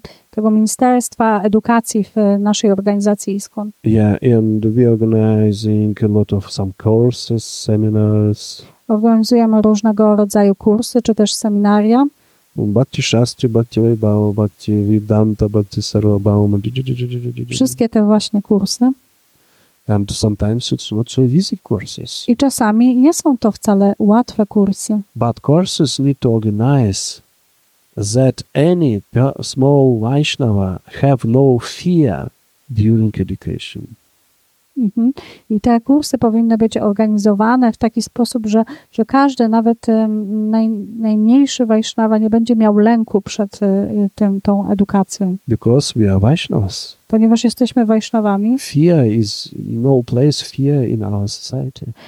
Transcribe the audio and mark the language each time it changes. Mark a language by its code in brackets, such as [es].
[pl] Tego ministerstwa edukacji w naszej organizacji ISKCON. [en] Yeah, and we organizing a lot of some courses, seminars. [pl] Organizujemy różnego rodzaju kursy czy też seminaria. [en] Bhakti Shastri, Bhakti Vaibhava, Bhakti Vedanta, Bhakti Sarvabhauma. [pl] Wszystkie te właśnie kursy. [en] And sometimes it's not so easy courses. [pl] I czasami nie są to wcale łatwe kursy. [en] But courses need to organize that any small Vaishnava have no fear during education. [pl] I te kursy powinny być organizowane w taki sposób, że każdy, nawet najmniejszy Vaishnava, nie będzie miał lęku przed tą edukacją. [en] Because we are Vaishnavas. [pl] Ponieważ jesteśmy Vaishnavami. [en] Fear is no place fear in our society.